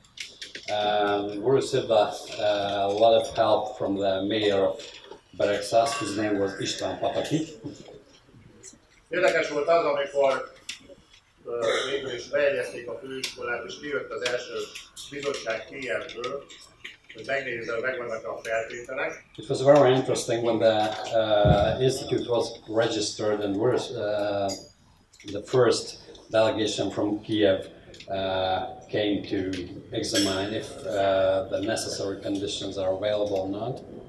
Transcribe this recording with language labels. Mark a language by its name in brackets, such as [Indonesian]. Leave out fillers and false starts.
[English] We received a lot of help from the mayor of Berekszász, whose name was István Pataki. [Hungarian] Érdekes volt az, amikor végül is bejegyezték a főiskolát, és kijött az első bizottság kérdőből, hogy megnézze, hogy megvannak a feltételek. [English] It was very interesting when the institute was registered and was the first delegation from Kiev came to examine if the necessary conditions are available or not.